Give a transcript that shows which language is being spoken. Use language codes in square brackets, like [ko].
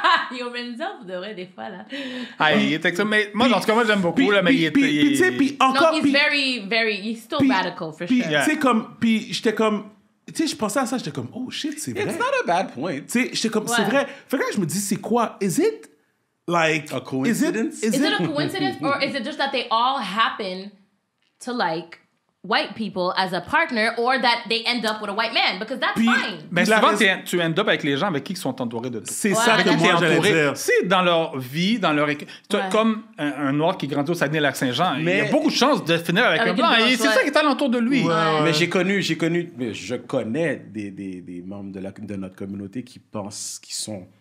[fr] Yo, Renzel, vous devrez des fois, là. Ah, il était comme... Moi, en tout cas, moi, j'aime beaucoup, là, mais il était... Puis, tu sais, puis encore... [en] Non, he's still radical, for sure. [fr] Yeah. Tu sais, comme... Puis j'étais comme... Tu sais, je pensais à ça, j'étais comme, oh shit, c'est vrai. [en] It's not a bad point. [fr] Tu sais, j'étais comme, c'est vrai. Fait que là, je me dis, c'est quoi? [en] Is it like... A coincidence? Is it a coincidence? Or is it just that they all happen to like... white people as a partner or that they end up with a white man because that's puis, fine. [fr] Mais souvent, tu end up avec les gens avec qui ils sont entourés de toi. C'est ouais, ça que moi, j'allais dire. C'est dans leur vie, dans leur... Ouais. Comme un noir qui grandit au Saguenay-Lac-Saint-Jean, mais... il y a beaucoup de chances de finir avec un blanc. Et c'est ça qui est alentour de lui. Ouais. Mais j'ai connu... Je connais des membres de notre communauté qui pensent qu'ils sont...